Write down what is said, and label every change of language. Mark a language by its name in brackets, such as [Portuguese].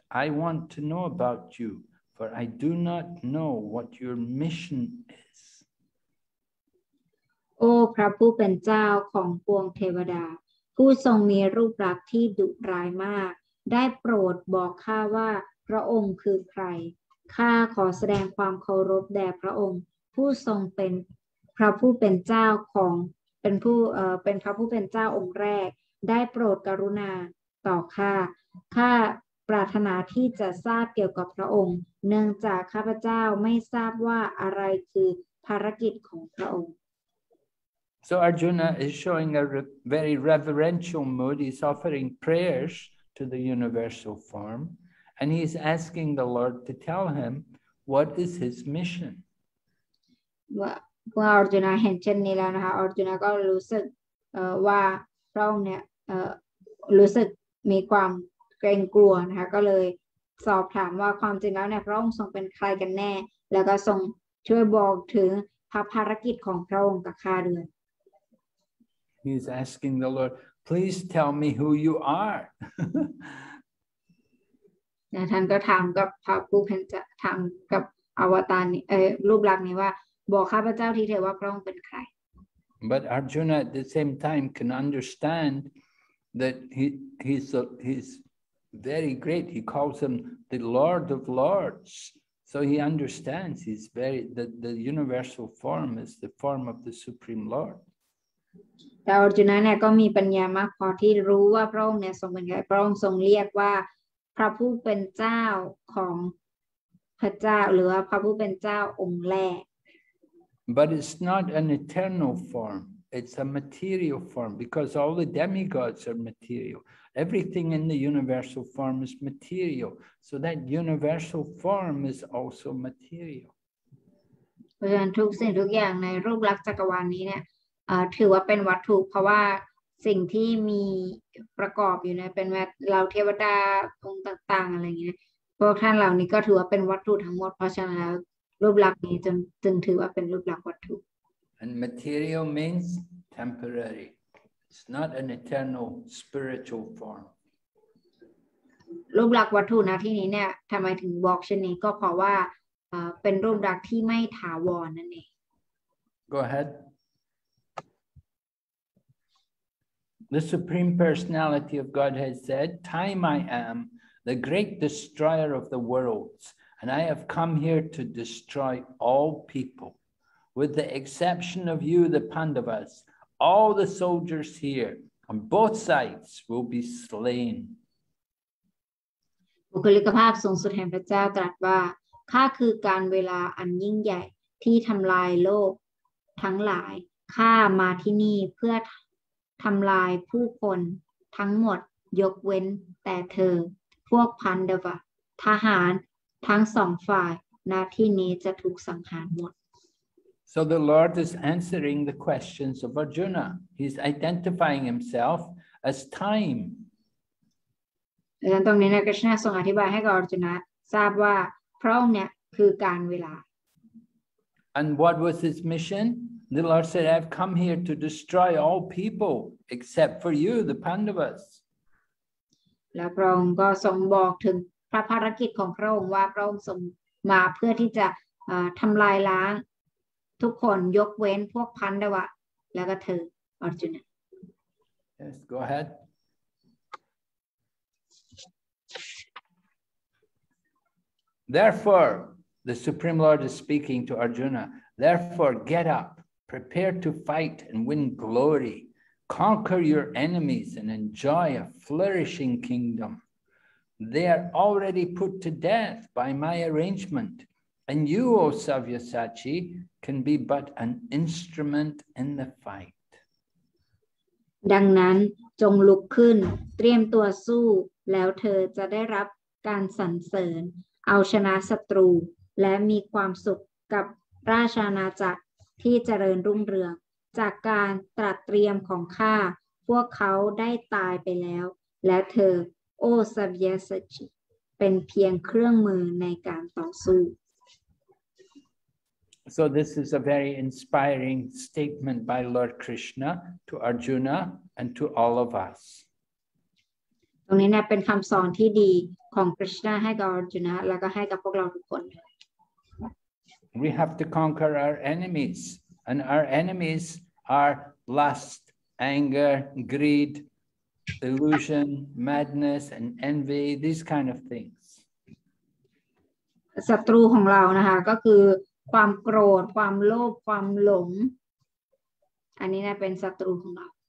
[English] I want to know about you, for I do not know what your mission is. [Thai] โอ้พระผู้เป็นเจ้าของปวงเทวดาผู้ทรงมีรูปลักษณ์ที่ดุร้ายมากได้โปรดบอกข้าว่าพระองค์คือใครข้าขอแสดงความเคารพแด่พระองค์ผู้ทรงเป็นพระผู้เป็นเจ้าของเป็นพระผู้เป็นเจ้าองค์แรกได้โปรดกรุณาต่อข้าข้าปรารถนาที่จะทราบเกี่ยวกับพระองค์เนื่องจากข้าพเจ้าไม่ทราบว่าอะไรคือภารกิจของพระองค์ [English] So Arjuna is showing a very reverential mood. He's offering prayers to the universal form, and he's asking the Lord to tell him what is his mission. [Thai] เมื่อ Arjuna เห็นเช่นนี้แล้วนะคะ Arjuna ก็รู้สึกว่าพระองค์เนี่ยรู้สึกมีความเกรงกลัวนะคะก็เลยสอบถามว่าความจริงแล้วเนี่ยพระองค์ทรงเป็นใครกันแน่แล้วก็ทรงช่วยบอกถึงภารกิจของพระองค์กับข้าด้วย [English] He's asking the Lord, please tell me who you are. [Thai] ท่านก็ถามกับพระผู้เป็นเจ้าถามกับอวตารรูปลักษณ์นี้ว่าบอกข้าพเจ้าทีเถิดว่าพระองค์เป็นใคร [English] But Arjuna at the same time can understand that he's very great. He calls him the Lord of Lords. So he understands he's very that the universal form is the form of the Supreme Lord. [Thai] แต่ Arjuna เนี่ยก็มีปัญญามากพอที่รู้ว่าพระองค์เนี่ยทรงเป็นใครพระองค์ทรงเรียกว่าพระผู้เป็นเจ้าของพระเจ้าหรือว่าพระผู้เป็นเจ้าองค์แรก [English] But it's not an eternal form. It's a material form because all the demigods are material. Everything in the universal form is material. So that universal form is also material. [Thai] เพราะฉะนั้นทุกสิ่งทุกอย่างในรูปลักษณ์จักรวาลนี้เนี่ยถือว่าเป็นวัตถุเพราะว่าสิ่งที่มีประกอบอยู่เนี่ยเป็นเหล่าเทวดาองค์ต่างๆอะไรอย่างเงี้ยพวกท่านเหล่านี้ก็ถือว่าเป็นวัตถุทั้งหมดเพราะฉะนั้นแล้วรูปลักษณ์นี้จึงถือว่าเป็นรูปลักษณ์วัตถุ [English] And material means temporary. It's not an eternal spiritual form. [Thai] รูปลักษณ์วัตถุนะที่นี้เนี่ยทำไมถึงบอกเช่นนี้ก็เพราะว่าเป็นรูปลักษณ์ที่ไม่ถาวรนั่นเอง [English] Go ahead. The Supreme Personality of Godhead said, Time I am, the great destroyer of the worlds, and I have come here to destroy all people. With the exception of you, the Pandavas, all the soldiers here on both sides will be slain. [Thai] บุคลิกภาพสูงสุดแห่งพระเจ้าตรัสว่าข้าคือการเวลาอันยิ่งใหญ่ที่ทำลายโลกทั้งหลายข้ามาที่นี่เพื่อทำลายผู้คนทั้งหมดยกเว้นแต่เธอพวกพันเดวะทหารทั้งสองฝ่ายณที่นี้จะถูกสังหารหมด [English] So the Lord is answering the questions of Arjuna. He's identifying himself as time. [Thai] ดังตรงนี้นะ Krishna ทรงอธิบายให้กับ Arjuna ทราบว่าพระองค์เนี่ยคือการเวลา [English] And what was his mission? The Lord said, I've come here to destroy all people except for you, the Pandavas. [Thai] แล้วพระองค์ก็ทรงบอกถึงพระภารกิจของพระองค์ว่าพระองค์ทรงมาเพื่อที่จะทำลายล้างทุกคนยกเว้นพวกพันดวะแล้วก็เธออาร์จุนะ [English] Yes, go ahead. Therefore, the Supreme Lord is speaking to Arjuna. Therefore, get up. Prepare to fight and win glory. Conquer your enemies and enjoy a flourishing kingdom. They are already put to death by my arrangement. And you, O Savyasachi, can be but an instrument in the fight. [Thai] ดังนั้นจงลุกขึ้นเตรียมตัวสู้แล้วเธอจะได้รับการสรรเสริญเอาชนะศัตรูและมีความสุขกับราชอาณาจักรที่เจริญรุ่งเรืองจากการตรัสเตรียมของข้าพวกเขาได้ตายไปแล้วและเธอโอสัพเพสัจจิเป็นเพียงเครื่องมือในการต่อสู้ [English] So this is a very inspiring statement by Lord Krishna to Arjuna and to all of us [Thai] ตรงนี้เนี่ยเป็นคำสอนที่ดีของ Krishna ให้กับ Arjuna แล้วก็ให้กับพวกเราทุกคน [English] We have to conquer our enemies, and our enemies are lust, anger, greed, illusion, madness, and envy. These kind of things. [Thai] ศัตรูของเรานะคะก็คือความโกรธความโลภความหลงอันนี้นะเป็นศัตรูของเรา